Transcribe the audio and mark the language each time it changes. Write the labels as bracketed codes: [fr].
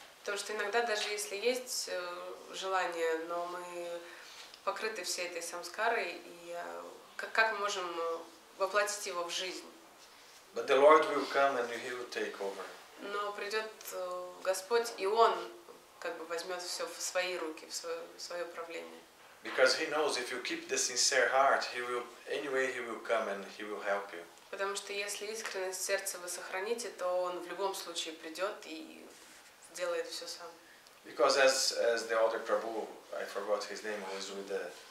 [ru] Потому что иногда даже если есть желание, но мы покрыты всей этой самскарой, и как мы можем воплотить его в жизнь? [en] But the Lord will come and he will take over. [ru] Но придет Господь, и Он как бы возьмет все в свои руки, в свое правление. [en] Because he knows if you keep the sincere heart, he will come and he will help you. [ru] Потому что если искренность сердца вы сохраните, то Он в любом случае придет и сделает все сам. [en] Because as the other Prabhu, I forgot his name, who is with the